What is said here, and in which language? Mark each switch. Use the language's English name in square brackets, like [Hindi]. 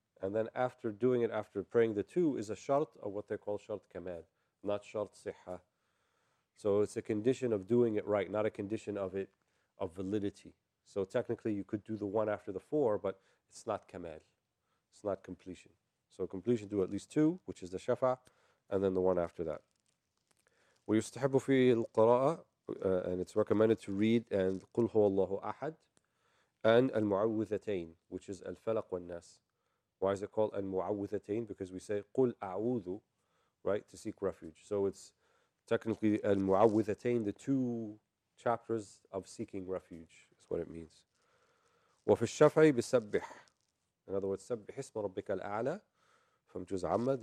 [English] And then after doing it, after praying the two, is a shart of what they call shart kamal, not shart siha. So it's a condition of doing it right, not a condition of it of validity. So technically you could do the 1 after the 4, but it's not kamal. It's not completion. So completion, do at least 2, which is the shafa, and then the 1 after that. [Arabic] وَيُسْتَحَبُ فِي الْقَرَاءَ, [English] and it's recommended to read, and [Arabic] قُلْ هُوَ اللَّهُ أَحَدْ, [English] and [Arabic] الْمُعَوِّذَتَيْنِ, [English] which is [Arabic] الْفَلَقْ وَالنَّاسِ. [English] Why is it called الْمُعَوِّذَتَيْنِ? Because we say [Arabic] قُلْ أَعُوذُ, [English] right, to seek refuge. So it's technically al-mu'awwidhatayn, the 2 chapters of seeking refuge, is what it means. [Arabic] Wa fi ash-shafi'i bisabbih. [English] In other words, [Arabic] sabbih isma rabbika al-a'la [English] from Juz Ahmad.